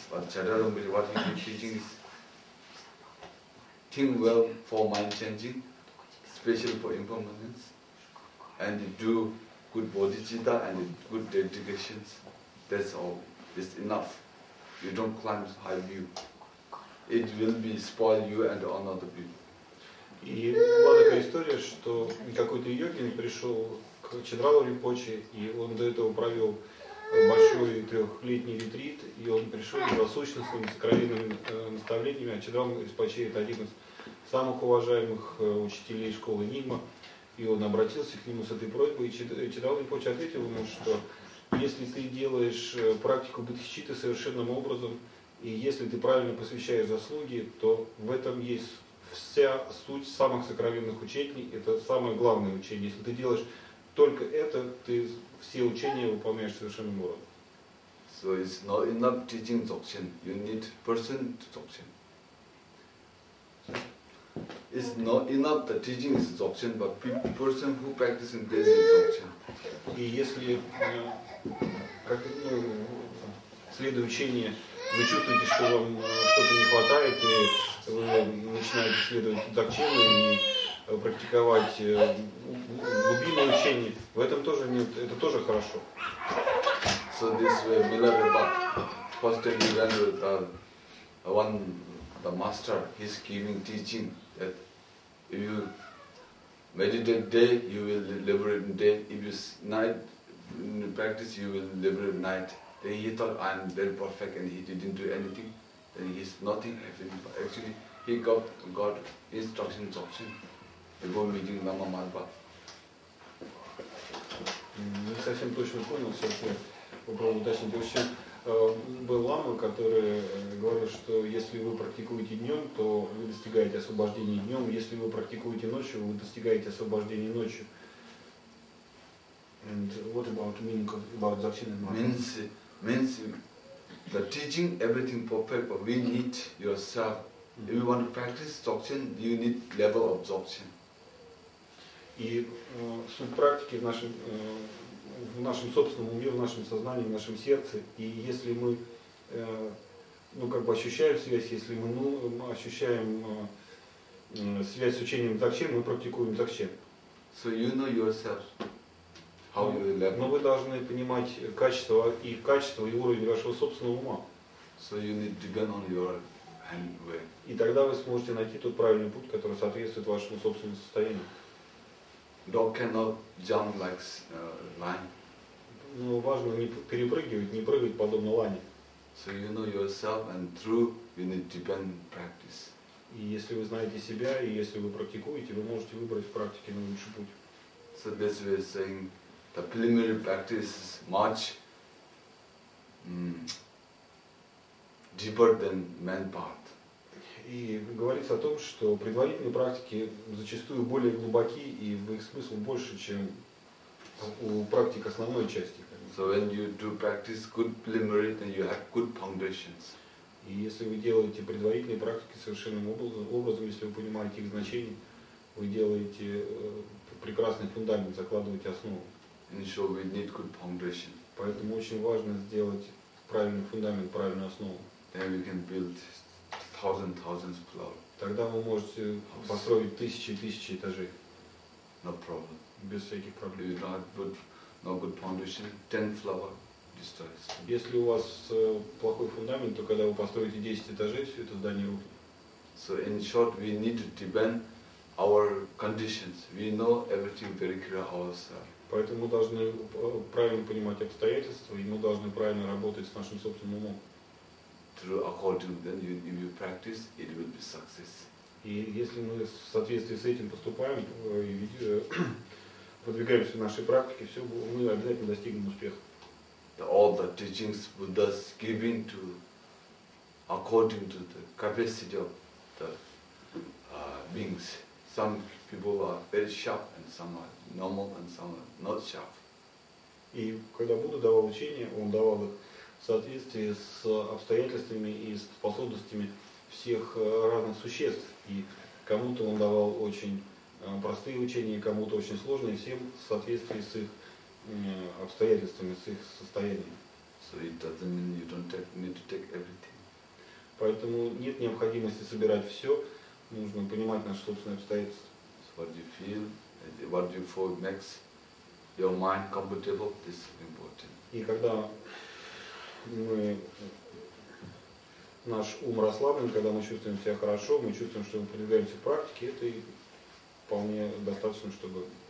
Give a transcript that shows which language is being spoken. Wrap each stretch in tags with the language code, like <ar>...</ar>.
<en>But Shadow Rinpoche, what he's been teaching is think well for mind changing, especially for impermanence. And do good bodhicitta and good dedications. That's all. It's enough. You don't climb high view. It will be spoil you and another people.</en> <ru>И была такая история, что какой-то йогин пришел к Чедрало Ринпоче, и он до этого провел большой трехлетний ретрит, и он пришел за сущностным, сокровенным наставлением, а Чедрало Ринпоче — это один из самых уважаемых учителей школы Нигма, и он обратился к нему с этой просьбой, и Чедрало Ринпоче ответил ему, что если ты делаешь практику бодхичитты совершенным образом, и если ты правильно посвящаешь заслуги, то в этом есть вся суть самых сокровенных учений, это самое главное учение. Если ты делаешь только это, ты все учения выполняешь совершенным уровнем.</ru> <en>So it's not enough teaching dzogchen. You need person dzogchen. It's not enough the teaching is dzogchen, but person who practicing this is dzogchen.</en> <ru>И если как, ну, следует учение, вы чувствуете, что вам что-то не хватает, и вы начинаете следовать дзогчену и практиковать глубинное учение. В этом тоже нет, это тоже хорошо.</ru> <en>So this way, Milarepa constantly went with the master, he's giving teaching that if you meditate day, you will liberate day. If you night in practice, you will liberate night. Then he thought I'm very perfect and he didn't do anything. Then he's nothing happened. Actually, he got instructions option before meeting Lama Malpa.</en> <ru>Не совсем точно понял, если попробую уточнить. В общем, был лама, который говорил, что если вы практикуете днем, то вы достигаете освобождения днем. Если вы практикуете ночью, вы достигаете освобождения ночью.</ru> <en>And what about meaning of about dzogchen and malpa? Means the teaching everything perfect, but we need yourself. If you want to practice dzogchen, you need level of dzogchen.</en> <ru>И суть практики в нашем собственном уме, в нашем сознании, в нашем сердце. И если мы ощущаем связь, если мы ощущаем связь с учением дзогчен, мы практикуем дзогчен.</ru> <en>So you know yourself. How you level?</en> <ru>Но вы должны понимать качество и уровень вашего собственного ума.</ru> <en>So you need to depend on your hand way.</en> <ru>И тогда вы сможете найти тот правильный путь, который соответствует вашему собственному состоянию.</ru> <en>Dog cannot jump like lion.</en> <ru>Но важно не перепрыгивать, не прыгать подобно лане.</ru> <en>So you know yourself and through you need to depend on practice.</en> <ru>И если вы знаете себя и если вы практикуете, вы можете выбрать в практике наилучший путь.</ru> <en>So this way of saying. The preliminary practice is much deeper than main path.</en> <ru>И говорится о том, что предварительные практики зачастую более глубоки и в их смысл больше, чем у практик основной части.</ru> <en>So when you do practice good preliminary, then you have good foundations.</en> <ru>И если вы делаете предварительные практики совершенным образом, если вы понимаете их значение, вы делаете прекрасный фундамент, закладываете основу.</ru> <en>And so we need good foundation.</en> <ru>Поэтому очень важно сделать правильный фундамент, правильную основу.</ru> <en>Then we can build thousands of floors.</en> <ru>Тогда вы можете построить тысячи и тысячи этажей.</ru> <en>No problem.</en> <ru>Без всяких проблем.</ru> <en>If you don't have good foundation, 10 floors destroys.</en> <ru>Если у вас плохой фундамент, то когда вы построите 10 этажей, все это здание рухнет.</ru> <en>So in short, we need to depend our conditions. We know everything very clear ourselves.</en> <ru>Поэтому мы должны правильно понимать обстоятельства, и мы должны правильно работать с нашим собственным умом.</ru> <en>Through according, then you, if you practice, it will be success.</en> <ru>И если мы в соответствии с этим поступаем и подвигаемся в нашей практике, все, мы обязательно достигнем успеха.</ru> <en>all the teachings Buddha's giving to according to the capacity of the beings. Some people are very sharp and some are normal and some are not sharp.</en> <ru>И когда Будда давал учение, он давал их в соответствии с обстоятельствами и способностями всех разных существ. И кому-то он давал очень простые учения, кому-то очень сложные, всем в соответствии с их обстоятельствами, с их состоянием.</ru> <en>So it doesn't mean you don't need to take everything.</en> <ru>Поэтому нет необходимости собирать все, нужно понимать наши собственные обстоятельства.</ru> <en>So what do you feel, what do you feel makes your mind comfortable, this is important.</en> <ru>И когда наш ум расслаблен, когда мы чувствуем себя хорошо, мы чувствуем, что мы продвигаемся в практике, это и вполне достаточно, чтобы...</ru>